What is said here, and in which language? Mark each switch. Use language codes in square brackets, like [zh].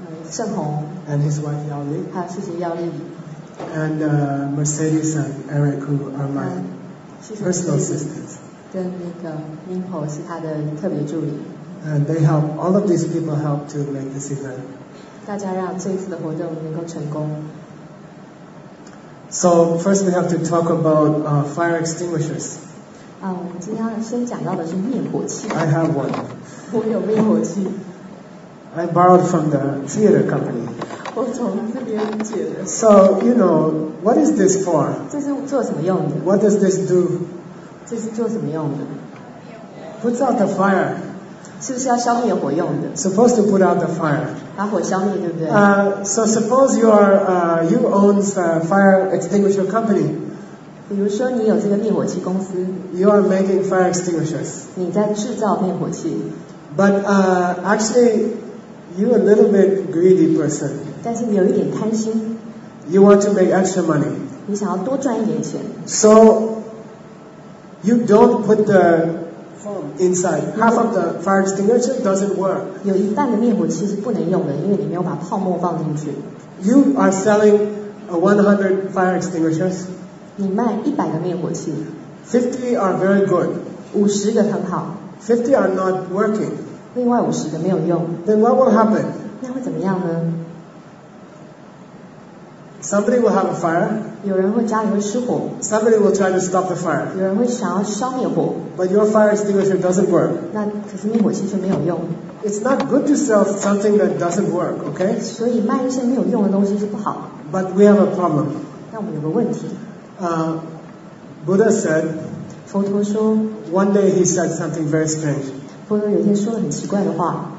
[zh] 盛红 [en] ，and his wife 姚丽， [zh] 还有谢谢姚丽 [en] ，and Mercedes and Eric who are my personal assistants， [zh] 跟那个 Minho 是他的特别助理 [en] ，and they help all of these people help to make this event， [zh] 大家让这一次的活动能够成功。 [en] So first we have to talk about fire extinguishers。 [zh] 我们今天先讲到的是灭火器。 [en] I have one. [zh] 我有灭火器。 [en] I borrowed from the theater company. [zh] 我从这边借的。 [en] So, you know, what is this for? [zh] 这是做什么用的？ [en] What does this do? [zh] 这是做什么用的？ [en] Puts out the fire. [zh] 是不是要消灭火用的？ [en] Supposed to put out the fire. [zh] 把火消灭，对不对？ [en] So suppose you are, you own a fire extinguisher company. [zh] 比如说你有这个灭火器公司 [en] You are making fire extinguishers [zh] 你在制造灭火器 [en] But actually you're a little bit greedy person [zh] 但是你有一点贪心 [en] You want to make extra money [zh] 你想要多赚一点钱 [en] So you don't put the foam inside Half of the fire extinguisher doesn't work [zh] 有一半的灭火器是不能用的因为你没有把泡沫放进去 [en] You are selling 100 fire extinguishers [zh] 你卖一百个灭火器 [en] 50 are very good [zh] 五十个很好 [en] 50 are not working [zh] 另外五十个没有用 [en] Then what will happen? [zh] 那会怎么样呢 [en] Somebody will have a fire [zh] 有人会家里会失火 [en] Somebody will try to stop the fire [zh] 有人会想要消灭火 [en] But your fire extinguisher doesn't work [zh] 那可是灭火器却没有用 [en] It's not good to sell something that doesn't work, okay? [zh] 所以卖一些没有用的东西是不好 [en] But we have a problem [zh] 那我们有个问题 [en] Buddha said, [zh] 佛陀说, [en] one day he said something very strange. [zh] 佛陀有一天说了很奇怪的话。